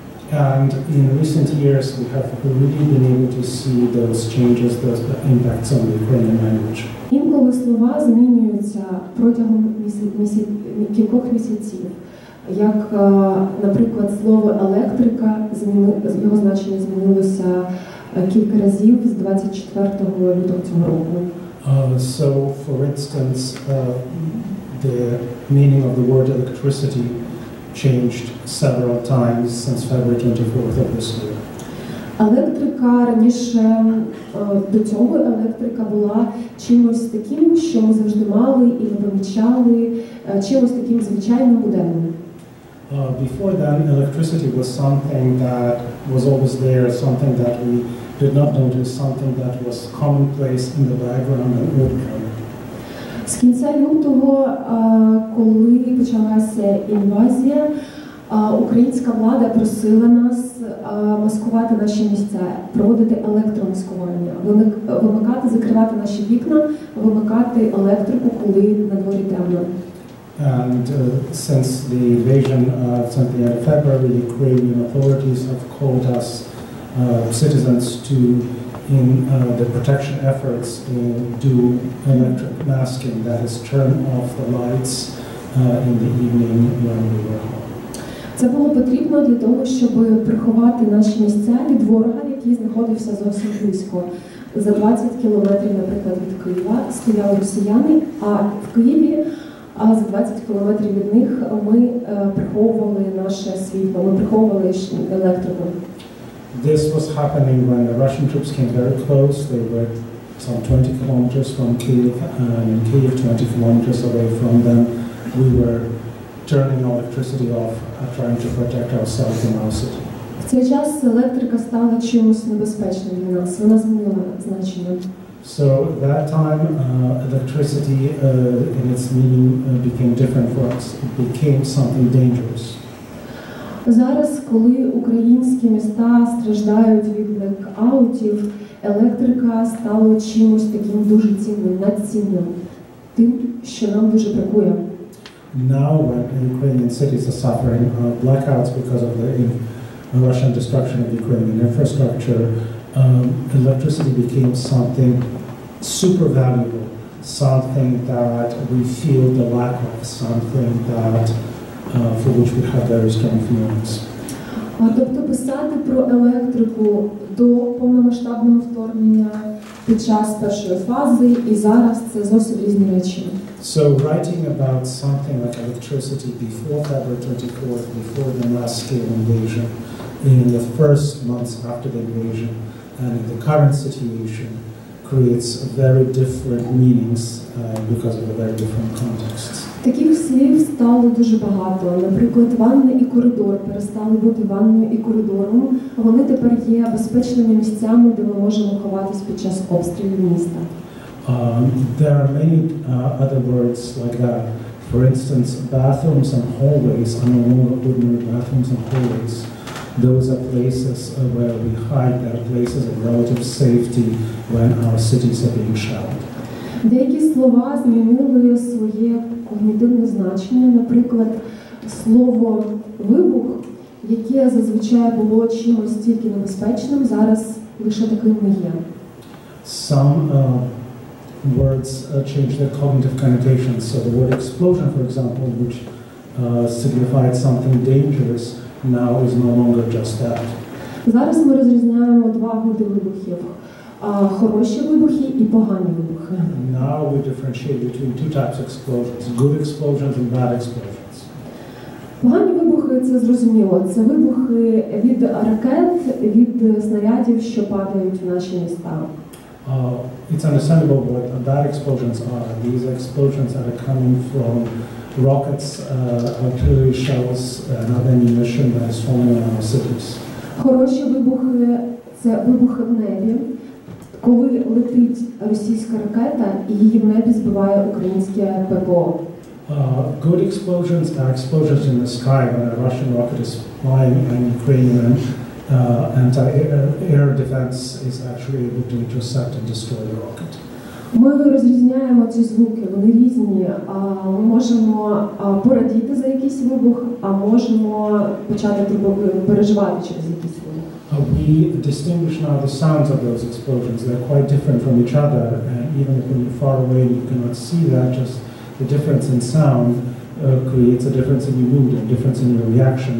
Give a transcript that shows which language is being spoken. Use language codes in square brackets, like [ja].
[en] And in recent years, we have really been able to see those changes, those impacts on the Ukrainian language. [uk] Інколи слова змінюються протягом кількох місяців, як, наприклад, слово електрика, його значення змінилося кілька разів з 24 лютого цього року. [en] So, for instance, the meaning of the word electricity changed several times since February 24th of this year. [uk] Електрика раніше до цього електрика була чимось таким, що ми завжди мали і не помічали, чимось таким звичайним буденним. [en] Before then, electricity was something that was always there, something that we did not notice, something that was commonplace in the background and ordinary. [uk] З кінця лютого, коли почалася інвазія, українська влада просила нас маскувати наші місця, проводити електромаскування, вимикати, закривати наші вікна, вимикати електрику, коли на дворі темно. [en] And since the invasion of February, the Ukrainian authorities have called us citizens to the protection efforts do electric masking, that is, turn off the lights in the evening when we were home. [uk] Це було потрібно для того, щоб приховати наші місця від ворога, який знаходився зовсім близько. За 20 кілометрів, наприклад, від Києва стояли росіяни, а в Києві за 20 кілометрів від них ми приховували наше світло, ми приховували електрику. [en] This was happening when the Russian troops came very close. They were some 20 kilometers from Kiev, and in Kiev, 20 kilometers away from them, we were turning electricity off, trying to protect ourselves and our city. [uk] В цей час електрика стала чимось небезпечним для нас. Вона змінила значення. [en] So that time, electricity in its meaning became different for us. It became something dangerous. [uk] Зараз, коли українські міста страждають від блекаутів, електрика стала чимось таким дуже цінним, надцінним, тим, що нам дуже бракує. [en] Now, when Ukrainian cities are suffering blackouts because of the Russian destruction of Ukrainian infrastructure, electricity became something super valuable, something that we feel the lack of, something that for which we have very strong feelings. [uk] Тобто писати про електрику до повномасштабного вторгнення під час першої фази і зараз це зовсім різні речі. [en] So writing about something like electricity before February 24th, before the mass-scale invasion, in the first months after the invasion, and in the current situation, creates very different meanings because of a very different context. [uk] Таких слів стало дуже багато. Наприклад, ванна і коридор перестали бути ванною і коридором. Вони тепер є безпечними місцями, де ми можемо ховатись під час обстрілів міста. [en] There are many other words like that. For instance, bathrooms and hallways are no longer ordinary bathrooms and hallways. Those are places where we hide, there are places of relative safety when our cities are being shelled. [uk] Деякі слова змінили своє когнітивне значення. Наприклад, слово «вибух», яке зазвичай було чимось тільки небезпечним, зараз лише таким не є. [en] Some words change their cognitive connotations. So the word «explosion», for example, which signified something dangerous, now is no longer just that. [uk] Зараз ми розрізняємо два види вибухів. Хороші вибухи і погані вибухи. [en] Now we differentiate between two types of explosions, good explosions and bad explosions. [uk] Погані вибухи це зрозуміло. Це вибухи від ракет, від снарядів, що падають в наші міста. [en] It's understandable what that explosions are. These explosions are coming from rockets, artillery shells, and other ammunition that is falling on our cities. [uk] Хороші вибухи – це вибухи в небі, коли летить російська ракета і її в небі збиває українське ППО. [en] Good explosions are explosions in the sky when a Russian rocket is flying and Ukrainian anti-air defense is actually able to intercept and destroy the rocket. [uk] Ми розрізняємо ці звуки, вони різні. Ми можемо порадіти за якийсь вибух, а можемо почати переживати через якийсь вибух. [en] We distinguish now the sounds of those explosions. They're quite different from each other, and even if you're far away, you cannot see that. Just the difference in sound creates a difference in your mood and a difference in your reaction.